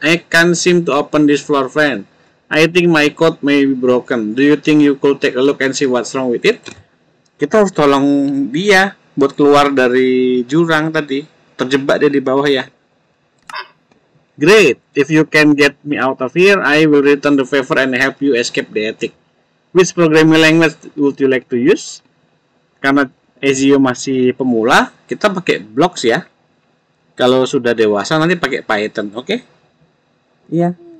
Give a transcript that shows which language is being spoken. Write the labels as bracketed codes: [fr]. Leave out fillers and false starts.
[en] I can't seem to open this floor fan. I think my code may be broken. Do you think you could take a look and see what's wrong with it? [id] Kita harus tolong dia buat keluar dari jurang tadi. Terjebak dia di bawah ya. [en] Great. If you can get me out of here, I will return the favor and help you escape the attic. which programming language would you like to use? [id] Karena SEO masih pemula, kita pakai Blocks ya. Kalau sudah dewasa nanti pakai Python, oke? Okay? Iya.